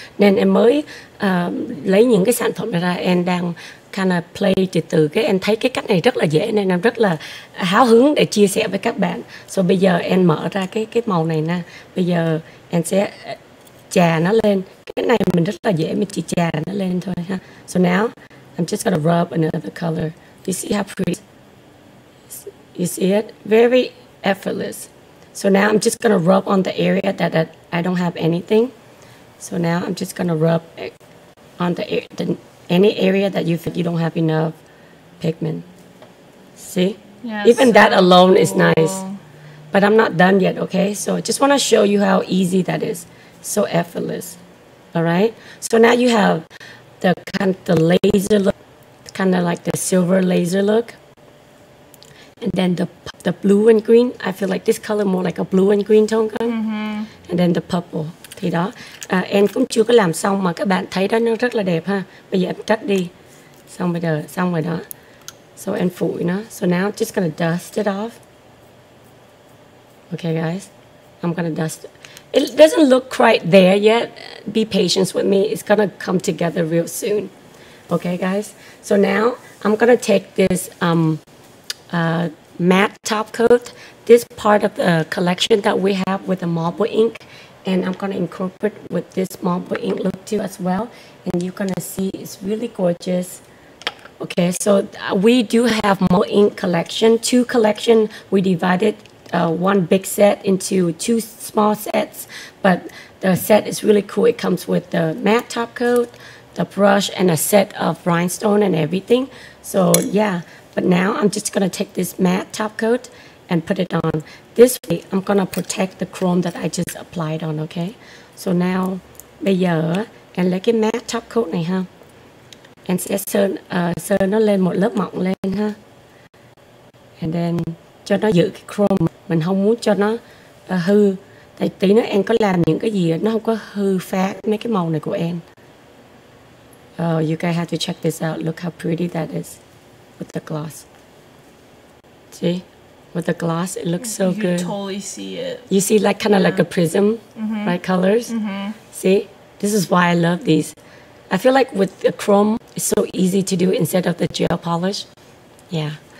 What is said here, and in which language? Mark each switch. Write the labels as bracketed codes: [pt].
[vi] Nên em mới lấy những cái sản phẩm này ra. Em đang [en] kind of play [vi] từ cái em thấy cái cách này rất là dễ, nên em rất là háo hứng để chia sẻ với các bạn. So bây giờ em mở ra cái màu này nè. Bây giờ em sẽ chà nó lên. Cái này mình rất là dễ, mình chỉ chà nó lên thôi ha. [en] So now I'm just gonna rub another color. You see how pretty? You see it? Very effortless. So now I'm just gonna rub on the area that I don't have anything. So now I'm just gonna rub on the any area that you think you don't have enough pigment. See? Yeah, even so that alone cool. Is nice. But I'm not done yet, okay? So I just wanna show you how easy that is. So effortless, all right? So now you have the kind of the laser look, kind of like the silver laser look. And then the blue and green, I feel like this color more like a blue and green tone color. Mm-hmm. And then the purple. [vi] Thì đó, em cũng chưa có làm xong mà các bạn thấy đó nó rất là đẹp ha. Bây giờ em cắt đi. Xong bây giờ, xong rồi đó. So em phủi nó. [en] So now I'm just gonna dust it off. Okay guys, I'm gonna dust it. It doesn't look quite there yet. Be patient with me. It's gonna come together real soon. Okay guys, so now I'm gonna take this matte top coat. This part of the collection that we have with the marble ink. And I'm gonna incorporate with this marble ink look too as well. And you're gonna see it's really gorgeous. Okay, so we do have more ink collection, two collection. We divided one big set into two small sets, but the set is really cool. It comes with the matte top coat, the brush, and a set of rhinestone and everything. So yeah, but now I'm just gonna take this matte top coat and put it on. This way, I'm gonna protect the chrome that I just applied on, okay? [vi] So now, bây giờ, em lấy cái matte top coat này ha. Em sẽ sơn nó lên một lớp mỏng lên ha. [en] And then, [vi] cho nó giữ cái chrome. Mình không muốn cho nó hư. Tại tí nữa em có làm những cái gì, nó không có hư phát mấy cái màu này của em. [en] Oh, you guys have to check this out. Look how pretty that is with the gloss. See? With the gloss, it looks so good. You totally see it. You see, like, kind of like a prism, right, colors? Mm-hmm. See? This is why I love these. I feel like with the chrome, it's so easy to do instead of the gel polish. Yeah.